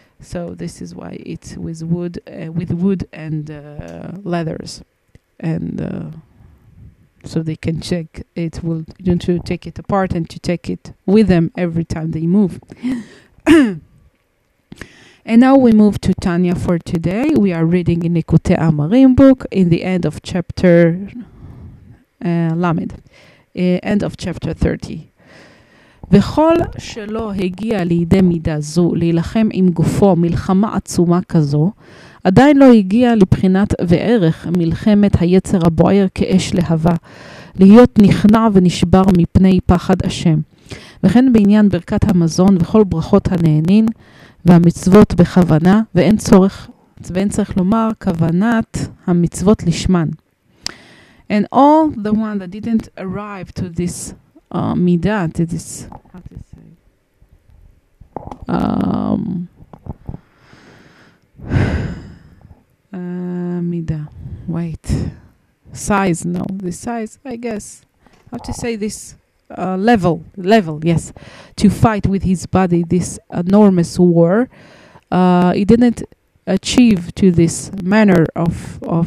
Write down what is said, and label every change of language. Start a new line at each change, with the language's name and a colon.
English: So this is why it's with wood and leathers, and so they can check it will to take it apart and to take it with them every time they move. And now we move to Tanya for today. We are reading in Nikutei Amarim book in the end of chapter Lamed, end of chapter 30.
Hebrew: וכל שלא הגיע לידי מידה זו להילחם עם גופו מלחמה עצומה כזו, עדיין לא הגיע לבחינת וערך מלחמת היצר הבוער כאש להבה, להיות נכנע ונשבר מפני פחד השם. וכן בעניין ברכת המזון וכל ברכות הנהנין והמצוות בכוונה, ואין צריך לומר כוונת המצוות לשמן.
English: And all the one that didn't arrive to this midah, to this, how to say, midah, wait, size, no, this size, I guess, how to say this, level, yes, to fight with his body this enormous war, he didn't achieve to this manner of